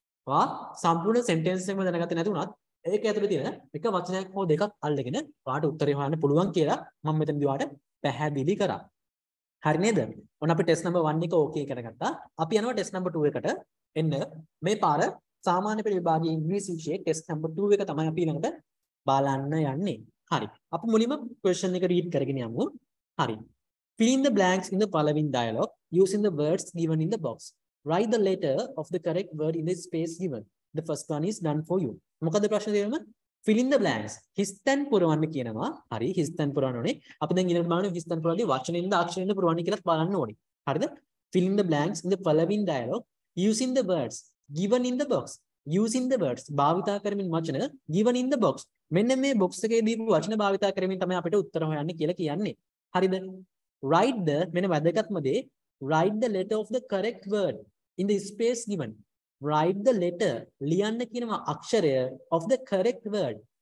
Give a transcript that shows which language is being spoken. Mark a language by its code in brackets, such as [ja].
[si] වා සම්පූර්ණ sentence එකම දැනගත්තේ නැති වුණත් ඒක ඇතුලේ තියෙන එක වචනයක් හෝ දෙකක් අල්ලගෙන වාට උත්තරේ හොයන්න පුළුවන් කියලා මම මෙතනදී වාට පැහැදිලි කරා. හරි නේද? ඔන්න අපි test number 1 එක okay කරගත්තා. අපි යනවා test number 2 එකට. එන්න මේ පාර සාමාන්‍ය පෙළ විභාගයේ ඉංග්‍රීසි විෂයේ test number 2 එක තමයි අපි ඊළඟට බලන්න යන්නේ. හරි. අපි මුලින්ම question එක read කරගෙන යමු. හරි. [en] Fill in the blanks in the following dialogue using the words given in the box. Write the letter of the correct word in the space given. The first one is done for you. [si] මොකද ප්‍රශ්නේ තියෙන්නේ? [en] Fill in the blanks. [si] Histan පුරවන්න කියනවා. හරි. Histan පුරවන්න ඕනේ. අපි දැන් ඊළඟට බලන්නේ histan පුරවද්දී වචනින්ද අක්ෂරින්ද පුරවන්නේ කියලා බලන්න ඕනේ. හරිද? [en] Fill in the blanks in the following dialogue using the words given in the box. Using the words [si] භාවිතා කරමින් වචන [en] given in the box. [si] මෙන්න මේ box එකේ දීපු වචන භාවිතා කරමින් තමයි අපිට උත්තර හොයන්න කියලා කියන්නේ. හරිද? [en] Write the [si] මෙන්න වැදගත්ම දේ [en] write the letter of the correct word in the space given. Write the letter [si] ලියන්න කියනවා Aksharaya [en] of the correct word.